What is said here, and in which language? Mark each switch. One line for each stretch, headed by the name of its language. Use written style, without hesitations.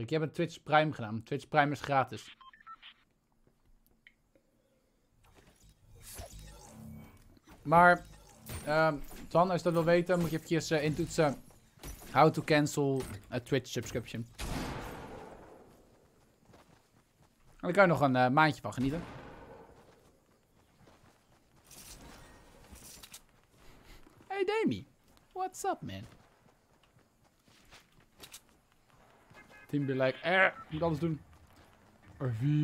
Dutch: Ik heb een Twitch Prime gedaan. Twitch Prime is gratis. Maar, Twan, als je dat wil weten, moet je eventjes intoetsen.
English: How to cancel a Twitch subscription.
Dutch: En dan kan je nog een maandje van genieten.
English: Hey Demi, what's up man? Team be like,
Dutch: moet alles doen. RV.